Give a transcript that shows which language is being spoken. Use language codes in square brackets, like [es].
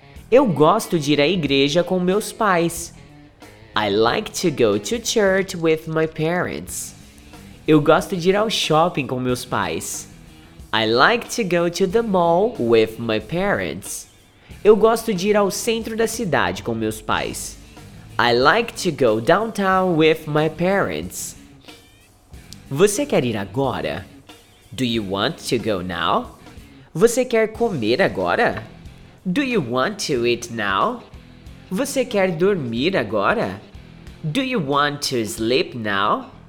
[pt] Eu gosto de ir à igreja com meus pais. [en] I like to go to church with my parents. [pt] Eu gosto de ir ao shopping com meus pais. [en] I like to go to the mall with my parents. [pt] Eu gosto de ir ao centro da cidade com meus pais. [en] I like to go downtown with my parents. [pt] Você quer ir agora? [en] Do you want to go now? [pt] Você quer comer agora? [en] Do you want to eat now? [pt] Você quer dormir agora? [en] Do you want to sleep now?